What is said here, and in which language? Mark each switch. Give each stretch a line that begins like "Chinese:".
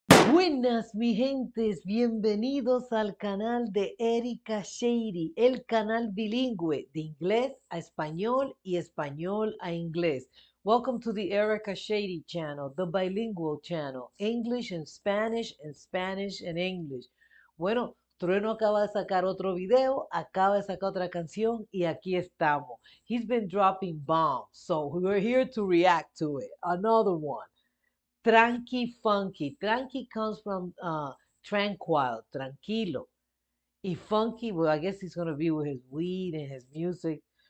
Spanish: Buenas, mi gentes, bienvenidos al canal de Erika Shady, el canal bilingüe de inglés a español y español a inglés.
English: Welcome to the Erika Shady channel, the bilingual channel, English and Spanish and English.
Spanish: Bueno, Trueno acaba de sacar otro video, acaba de sacar otra canción y aquí estamos.
English: He's been dropping bombs, so we're here to react to it. Another one. Tranky funky. Tranky comes from tranquil, tranquilo. Y funky, well, I guess he's going to be with his weed and his music.